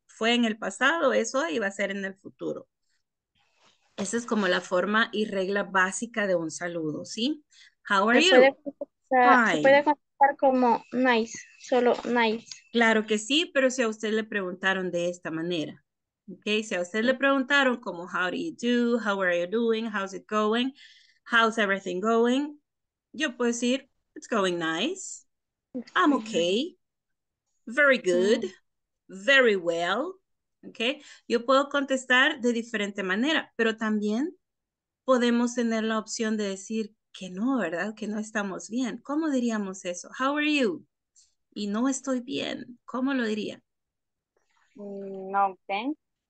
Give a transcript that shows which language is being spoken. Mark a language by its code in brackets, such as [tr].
[es] fue en el pasado, es hoy y va a ser en el futuro. Esa es como la forma y regla básica de un saludo, ¿sí? [en] How are you? [es] Se puede contestar como nice, solo nice. Claro que sí, pero si a usted le preguntaron de esta manera. [en] Okay, [es] si a usted le preguntaron como [en] how do you do, how are you doing, how's it going, how's everything going, [es] yo puedo decir, [en] it's going nice, I'm okay, very good, very well, okay. [es] Yo puedo contestar de diferente manera, pero también podemos tener la opción de decir que no, ¿verdad? Que no estamos bien. ¿Cómo diríamos eso? [en] How are you? [es] Y no estoy bien. ¿Cómo lo diría? [en] No, thanks.